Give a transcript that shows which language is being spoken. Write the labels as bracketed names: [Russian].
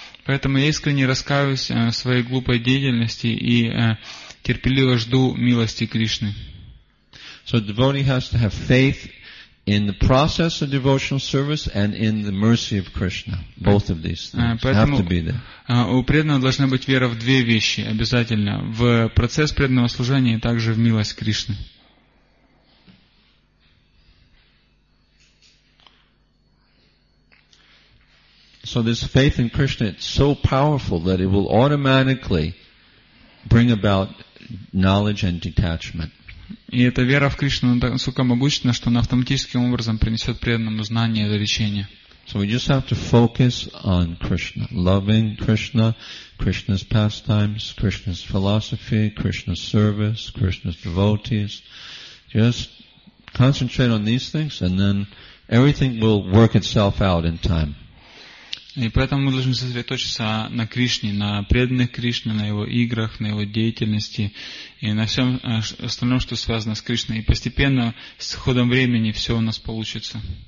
[Russian] Поэтому я искренне раскаиваюсь в своей глупой деятельности и терпеливо жду милости Кришны. [English] So the devotee has to have faith in the process of devotional service and in the mercy of Krishna. Both of these things have to be there. [Russian] У преданного должна быть вера в две вещи обязательно. В процесс преданного служения и также в милость Кришны. [English] So this faith in Krishna is so powerful that it will automatically bring about knowledge and detachment. [Russian] И эта вера в Кришну настолько могущественна, что она автоматическим образом принесет преданному знание и отречение. [English] So we just have to focus on Krishna, loving Krishna, Krishna's pastimes, Krishna's philosophy, Krishna's service, Krishna's devotees. Just concentrate on these things, and then everything will work itself out in time. [Russian] И поэтому мы должны сосредоточиться на Кришне, на преданных Кришне, на его играх, на его деятельности и на всем остальном, что связано с Кришной. И постепенно, с ходом времени, все у нас получится.